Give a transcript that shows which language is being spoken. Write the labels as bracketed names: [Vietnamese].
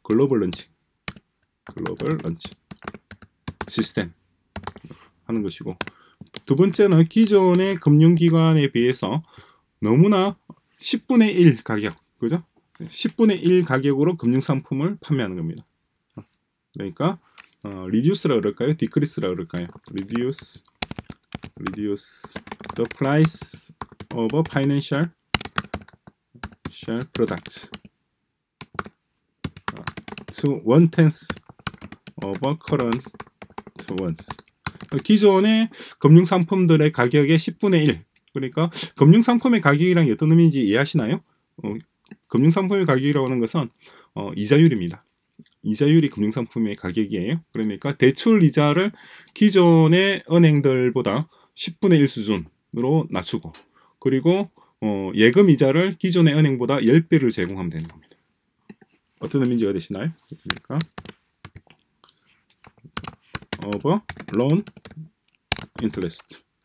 [Korean] 글로벌 런칭 시스템 하는 것이고, 두 번째는 기존의 금융기관에 비해서 너무나 10분의 1 가격, 그죠? 10분의 1 가격으로 금융상품을 판매하는 겁니다. 그러니까 reduce라 그럴까요? decrease라 그럴까요? [English] reduce the price of a financial product to one-tenth of a current one. [Korean] 기존의 금융상품들의 가격의 10분의 1. 그러니까 금융상품의 가격이랑 어떤 의미인지 이해하시나요? 금융상품의 가격이라고 하는 것은 이자율입니다. 이자율이 금융상품의 가격이에요. 그러니까 대출 이자를 기존의 은행들보다 10분의 1 수준으로 낮추고, 그리고 예금 이자를 기존의 은행보다 10배를 제공하면 되는 겁니다. 어떤 의미인지 이해되시나요? 그러니까 [English] of loan interest.